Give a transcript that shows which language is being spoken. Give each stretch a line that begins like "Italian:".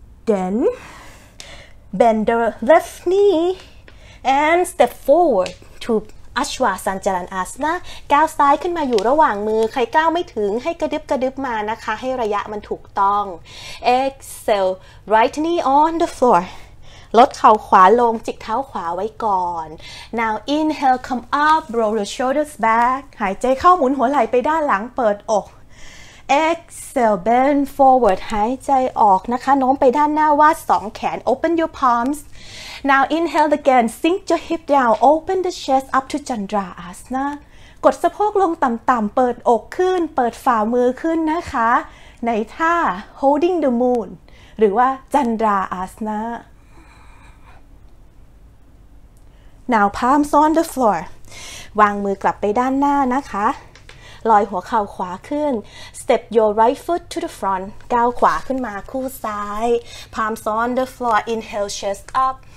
English: Then bend the left kneeAnd step forward to Ashvasanjalanasana.
Thai: ก้าวซ้ายขึ้นมาอยู่ระหว่างมือใครก้าวไม่ถึงให้กระดึบกระดึบมานะคะให้ระยะมันถูกต้อง
English: Exhale, right knee on the floor.
Thai: ลดเข่าขวาลงจิกเท้าขวาไว้ก่อน
English: Now inhale, come up, roll the shoulders back.
Thai: หายใจเข้าหมุนหัวไหล่ไปด้านหลังเปิดอก
English: Exhale, bend forward.
Thai: หายใจออกนะคะโน้มไปด้านหน้าวาดสองแขน
English: Open your palms. Now inhale again, sink your hip down, open the chest up to Chandrasana.
Thai: กดสะโพกลงต่ำๆเปิดอกขึ้นเปิดฝ่ามือขึ้นนะคะในท่า
English: holding the moon
Thai: หรือว่า Chandrasana.
English: Now palms on the floor.
Thai: วางมือกลับไปด้านหน้านะคะลอยหัวเข่าขวาขึ้น
English: step your right foot to the front
Thai: ก้าวขวาขึ้นมาคู่ซ้าย
English: palms on the floor inhale chest up